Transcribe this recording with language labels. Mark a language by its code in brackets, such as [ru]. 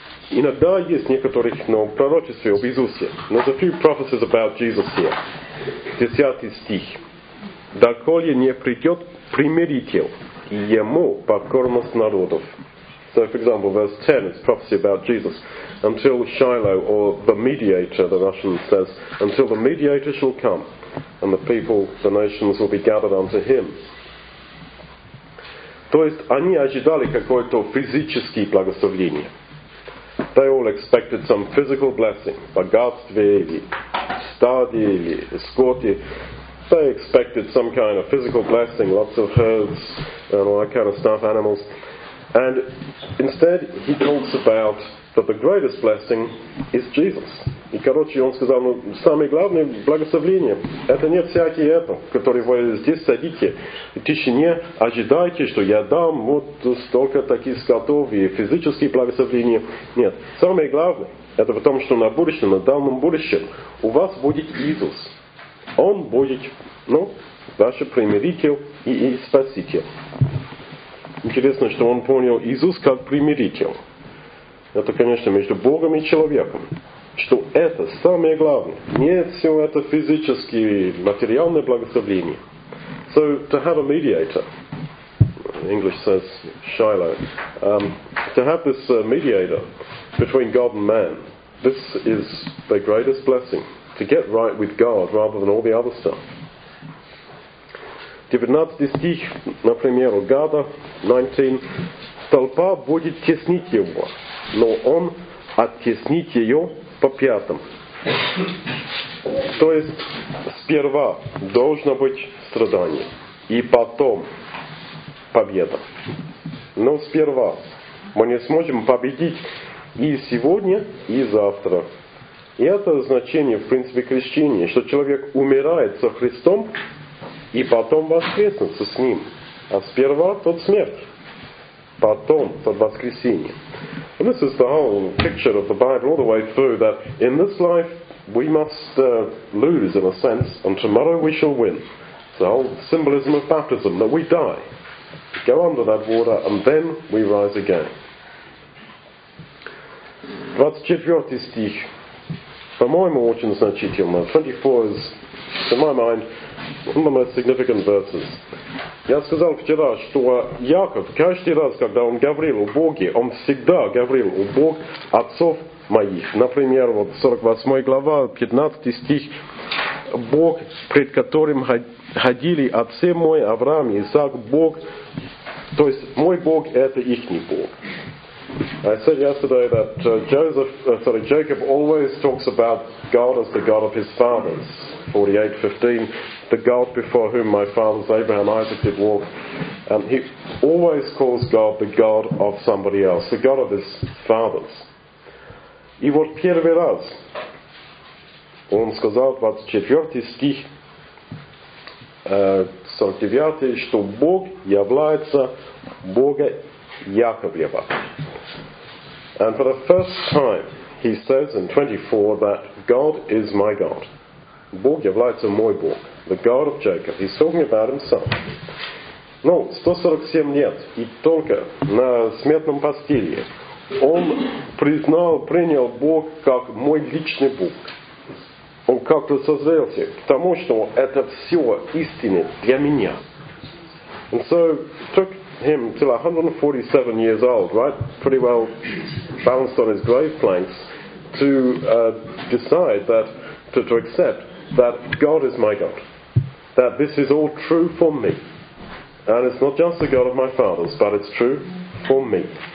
[ru] Иногда есть некоторых, но пророчества об Иисусе. [en] There's a few prophecies about Jesus here. [ru] 10 стих. «Доколе не придет примиритель, ему покорность народов». [en] So, for example, verse 10 is prophecy about Jesus. «Until Shiloh, or the mediator, the Russian says, until the mediator shall come, and the people, the nations will be gathered unto him. [ru] То есть они ожидали какое-то физическое благословение. [en] They all expected some physical blessing, [ru] богатство или стадо или скот. [en] They expected some kind of physical blessing, lots of herds and all that kind of stuff, animals. And instead, he talks about that the greatest blessing is Jesus. [ru] И короче, он сказал, ну, самое главное благословение, это не всякие это, которые вы здесь садите. В тишине ожидайте, что я дам вот столько таких скотов и физические благословения. Нет, самое главное, это в том, что на будущем, на данном будущем, у вас будет Иисус. Он будет, ну, ваш примиритель и спаситель. Интересно, что он понял Иисус как примиритель. Это, конечно, между Богом и человеком. Что это самое главное. Не все это физические, материальные благословения. [en] So, to have a mediator, English says Shiloh, to have this mediator between God and man, this is the greatest blessing. To get right with God rather than all the other stuff. [ru] 19 стих, например, у Гада, 19, толпа будет теснить его, но он оттеснит ее по пятам. То есть, сперва должно быть страдание, и потом победа. Но сперва мы не сможем победить и сегодня, и завтра. И это значение, в принципе, крещения, что человек умирает со Христом, и потом воскреснется с Ним. А сперва тот смерть. Потом, под воскресенье. [en] And this is the whole picture of the Bible all the way through, that in this life we must lose, in a sense, and tomorrow we shall win. It's the whole symbolism of baptism, that we die, go under that water, and then we rise again. [ru] 24 стих. По-моему, очень значительно. [en] 24 is, to my mind, one of the most significant verses. [ru] Я сказал вчера, что Яков, каждый раз, когда он говорил о Боге, он всегда говорил о Бог отцов моих. Например, вот 48 глава, 15 стих. Бог, пред которым ходили отцы мои, Авраам и Исаак, Бог. То есть, мой Бог – это ихний Бог. [en] I said yesterday that Jacob always talks about God as the God of his fathers. 48:15, the God before whom my fathers Abraham and Isaac did walk. And he always calls God the God of somebody else, the God of his fathers. [ru] И вот первый раз он сказал 24 стих 49, что Бог является Богом Яковлева. [en] And for the first time, he says in 24 that God is my God. [ru] Бог является мой Бог. [en] The God of Jacob. He's talking about himself. [ru] Но 147 лет, и только на смертном постели, он признал, принял Бог как мой личный Бог. Он как-то созрелся, потому что это все истинно для меня. [en] And so, took him till 147 years old, right, pretty well balanced on his grave planks, to decide that, to accept that God is my God, that this is all true for me, and it's not just the God of my fathers, but it's true for me.